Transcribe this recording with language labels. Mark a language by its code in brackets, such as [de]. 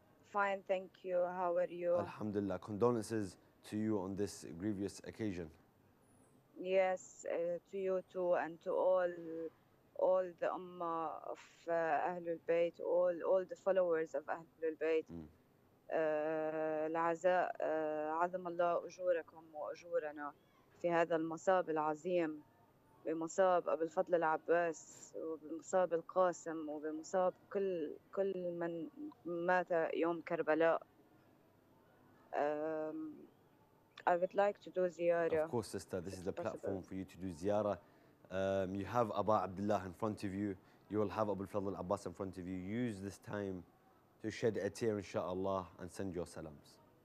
[en] Fine, thank you. How are you? Alhamdulillah. Condolences to you on this grievous occasion. Yes, to you too, and to all the ummah of Ahlul Bayt, all the followers of Ahlul Bayt. Mm. [ar] العزاء عظم الله أجوركم وأجورنا في هذا المصاب العظيم بمصاب أبو الفضل العباس وبمصاب القاسم وبمصاب كل من مات يوم كربلاء [en] I would like to do ziyara. Of course, sister, this is the platform for you to do ziyara. You have Aba Abdullah in front of you. You will have Abu al-Fadl al-Abbas in front of you. Use this time to shed a tear, inshallah, and send your salams.